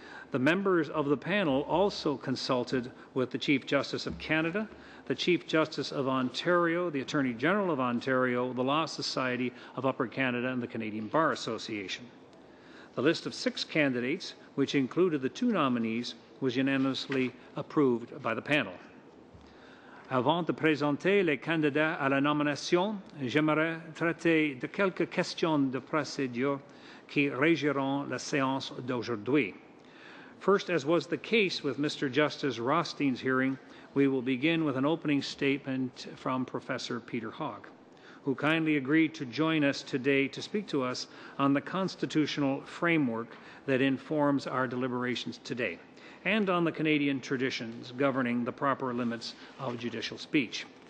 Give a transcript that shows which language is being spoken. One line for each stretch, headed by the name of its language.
English: The members of the panel also consulted with the Chief Justice of Canada, the Chief Justice of Ontario, the Attorney General of Ontario, the Law Society of Upper Canada, and the Canadian Bar Association. The list of six candidates, which included the two nominees, was unanimously approved by the panel.
French: Avant de présenter les candidats à la nomination, j'aimerais traiter de quelques questions de procédure qui régiront la séance d'aujourd'hui.
English: First, as was the case with Mr. Justice Rothstein's hearing, we will begin with an opening statement from Professor Peter Hogg, who kindly agreed to join us today to speak to us on the constitutional framework that informs our deliberations today, and on the Canadian traditions governing the proper limits of judicial speech.